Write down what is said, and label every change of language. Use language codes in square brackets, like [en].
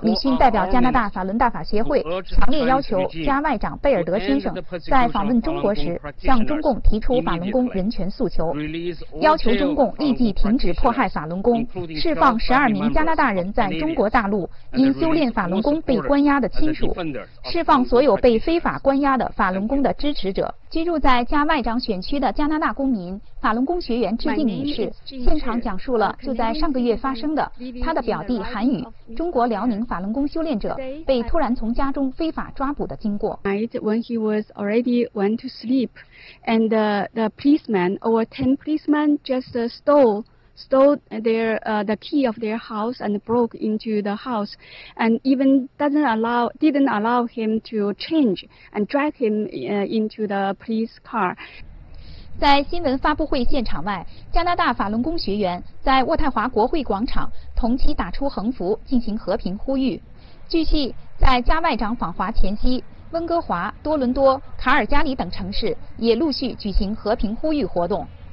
[zh] 李迅代表加拿大法轮大法协会，强烈要求加外长贝尔德先生在访问中国时，向中共提出法轮功人权诉求，要求中共立即停止迫害法轮功，释放12名加拿大人在中国大陆因修炼法轮功被关押的亲属，释放所有被非法关押的法轮功的支持者。居住在加外长选区的加拿大公民法轮功学员致敬女士现场讲述了就在上个月发生的，她的表弟韩宇，中国辽宁法轮功修炼者，被突然从家中非法抓捕的经过。 [en] When he was already went to sleep and the policeman or 10 policemen just stole their the key of their house and broke into the house and even didn't allow him to change and drag him into the police car. [zh] 在新闻发布会现场外，加拿大法轮功学员在渥太华国会广场同期打出横幅进行和平呼吁。据悉，在加外长访华前夕，温哥华、多伦多、卡尔加里等城市也陆续举行和平呼吁活动。